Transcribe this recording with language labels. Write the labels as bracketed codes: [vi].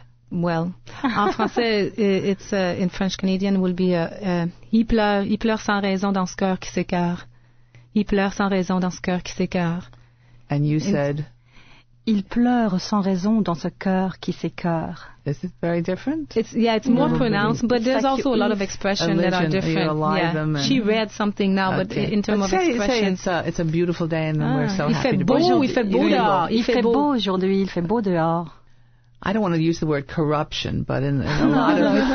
[en] Well, [fr] en français, [en] it's in French Canadian will be [fr] il pleure sans raison dans ce cœur qui s'écœure. Il pleure sans raison dans ce cœur qui s'écœure. [en] And you said? [fr] Il pleure sans raison dans ce cœur qui s'écœure. [en] Is it very different? It's more pronounced, but there's also a lot of expressions that are different. She read something now, but in terms of expressions. Say it's a beautiful day and we're so happy. [fr] Il fait beau aujourd'hui, il fait beau dehors. [en] I don't want to use the word corruption, but in a lot of